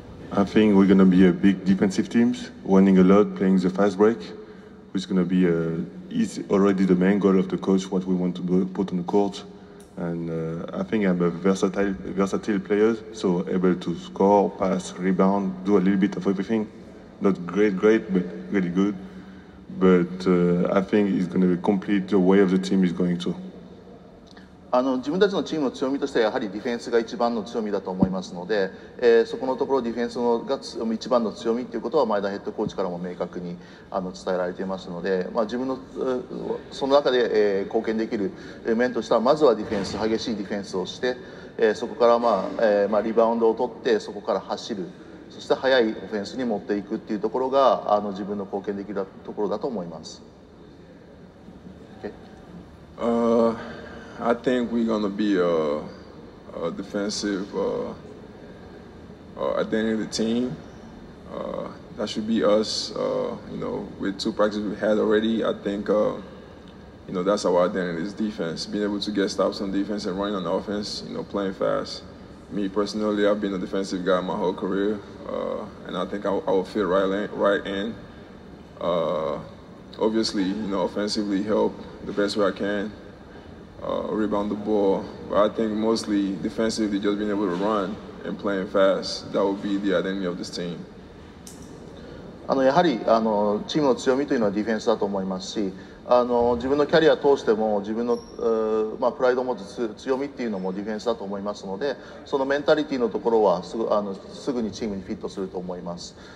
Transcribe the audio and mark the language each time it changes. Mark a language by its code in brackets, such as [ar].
[en] I think we're going to be a big defensive team, winning a lot, playing the fast break, which is going to be it's already the main goal of the coach, what we want to put on the court. And I think I'm a versatile player, so able to score, pass, rebound, do a little bit of everything. Not great, but really good. But I think it's going to be complete the way of the team is going to. [ja] 自分たちのチームの強みとしてはやはりディフェンスが一番の強みだと思いますので、そこのところディフェンスのが一番の強みということは前田ヘッドコーチからも明確に伝えられていますので、まあ、自分のその中で、貢献できる面としてはまずはディフェンス、激しいディフェンスをして、そこから、まあ、リバウンドを取ってそこから走る、そして速いオフェンスに持っていくというところが自分の貢献できるところだと思います。 [en] I think we're going to be a defensive identity team. That should be us. With two practices we had already, I think that's our identity, is defense. Being able to get stops on defense and running on offense, playing fast. Me personally, I've been a defensive guy my whole career, and I think I will fit right in. Obviously, offensively help the best way I can. Rebound the ball, but I think mostly defensively, just being able to run and playing fast, that would be the identity of this team. [ja] やはりチームの強みというのはディフェンスだと思いますし、自分のキャリア通しても自分の、まあ、プライドを持つ強みっていうのもディフェンスだと思いますので、そのメンタリティのところはすぐにチームにフィットすると思います。